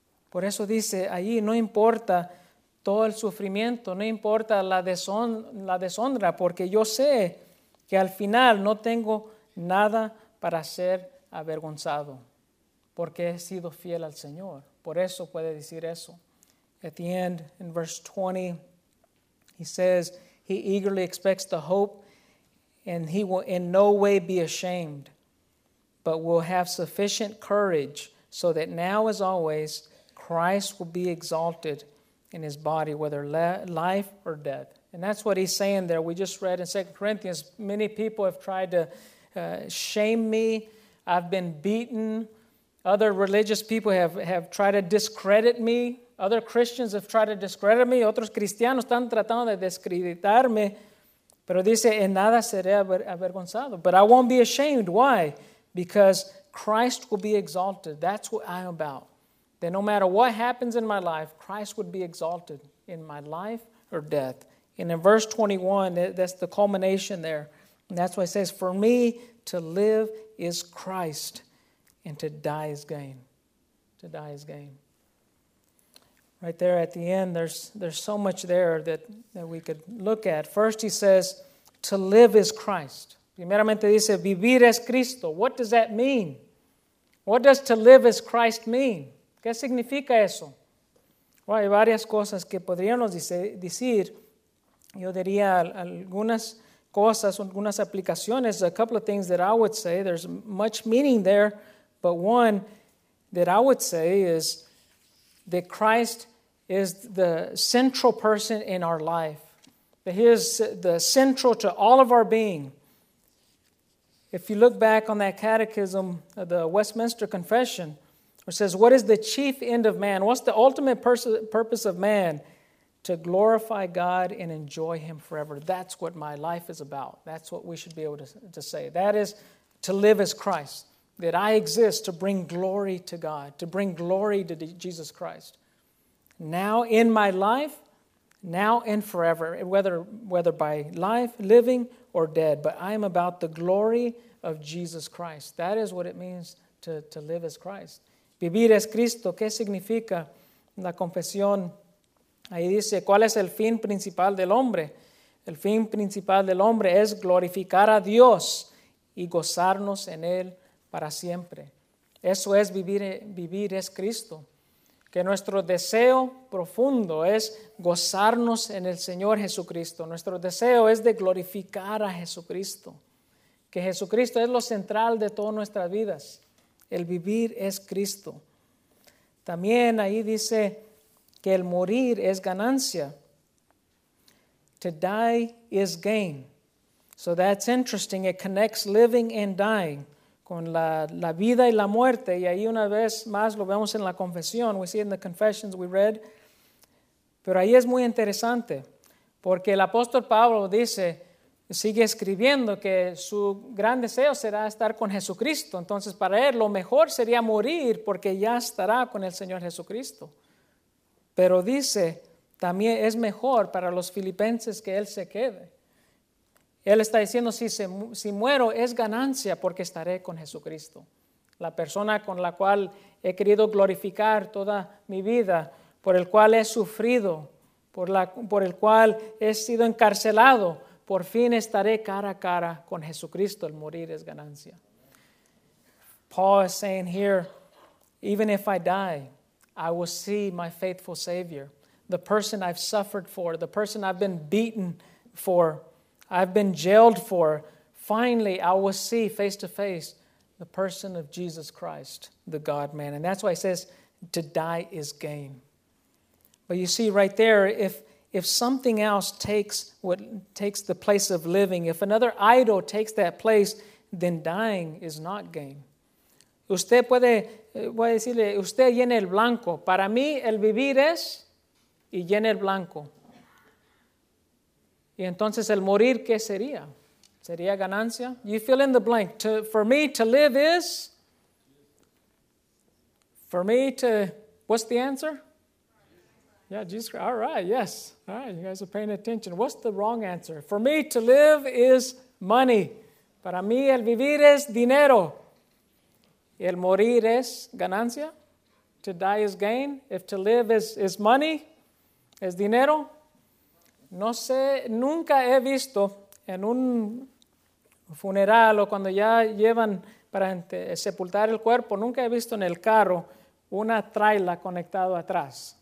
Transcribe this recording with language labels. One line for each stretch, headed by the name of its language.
Spanish: Por eso dice ahí, no importa todo el sufrimiento, no importa la deshonra, porque yo sé que al final no tengo nada para ser avergonzado, porque he sido fiel al Señor. Por eso puede decir eso.
English: At the end, in verse 20, he says, he eagerly expects the hope, and he will in no way be ashamed, but will have sufficient courage so that now as always, Christ will be exalted in his body, whether life or death. And that's what he's saying there. We just read in 2 Corinthians, many people have tried to shame me. I've been beaten. Other religious people have tried to discredit me. Other Christians have tried to discredit me.
Spanish: Otros cristianos están tratando de descreditarme. Pero dice, en nada seré avergonzado.
English: But I won't be ashamed. Why? Because Christ will be exalted. That's what I'm about. That no matter what happens in my life, Christ would be exalted in my life or death. And in verse 21, that's the culmination there. And that's why it says, for me to live is Christ, and to die is gain. To die is gain. Right there at the end, there's so much there that we could look at. First, he says, to live is Christ.
Spanish: Primeramente dice, vivir es Cristo.
English: What does that mean? What does to live as Christ mean?
Spanish: ¿Qué significa eso? Well, hay varias cosas que podríamos decir, Yo diría algunas cosas, algunas aplicaciones,
English: a couple of things that I would say. There's much meaning there, but one that I would say is that Christ is the central person in our life. That he is the central to all of our being. If you look back on that catechism, the Westminster Confession, which says, what is the chief end of man? What's the ultimate purpose of man? To glorify God and enjoy him forever. That's what my life is about. That's what we should be able to say. That is to live as Christ. That I exist to bring glory to God, to bring glory to Jesus Christ. Now in my life, now and forever, whether by life, living, or dead, but I am about the glory of Jesus Christ. That is what it means to live as Christ.
Spanish: Vivir es Cristo. ¿Qué significa la confesión? Ahí dice, ¿cuál es el fin principal del hombre? El fin principal del hombre es glorificar a Dios y gozarnos en Él para siempre. Eso es vivir es Cristo. Que nuestro deseo profundo es gozarnos en el Señor Jesucristo. Nuestro deseo es de glorificar a Jesucristo. Que Jesucristo es lo central de todas nuestras vidas. El vivir es Cristo. También ahí dice que el morir es ganancia.
English: To die is gain. So that's interesting. It connects living and dying.
Spanish: Con la vida y la muerte. Y ahí una vez más lo vemos en la confesión.
English: We see in the confessions we read.
Spanish: Pero ahí es muy interesante. Porque el apóstol Pablo dice, sigue escribiendo que su gran deseo será estar con Jesucristo. Entonces para él lo mejor sería morir porque ya estará con el Señor Jesucristo. Pero dice, también es mejor para los filipenses que él se quede. Él está diciendo, si muero es ganancia porque estaré con Jesucristo. La persona con la cual he querido glorificar toda mi vida, por el cual he sufrido, por el cual he sido encarcelado, por fin estaré cara a cara con Jesucristo. El morir es ganancia.
English: Paul is saying here, even if I die, I will see my faithful Savior, the person I've suffered for, the person I've been beaten for, I've been jailed for. Finally, I will see face to face the person of Jesus Christ, the God-man. And that's why he says, to die is gain. But you see right there, if something else takes the place of living, if another idol takes that place, then dying is not gain.
Spanish: Usted puede, voy a decirle, usted llena el blanco. Para mí, el vivir es, y llena el blanco. Y entonces, el morir, ¿qué sería? ¿Sería ganancia?
English: You fill in the blank. For me, to live is, for me to, what's the answer? Yeah, Jesus Christ. All right, yes. All right, you guys are paying attention. What's the wrong answer? For me, to live is money.
Spanish: Para mí, el vivir es dinero. El morir es ganancia.
English: To die is gain. If to live is money,
Spanish: es dinero. No sé, nunca he visto en un funeral o cuando ya llevan para sepultar el cuerpo, nunca he visto en el carro una traila conectado atrás.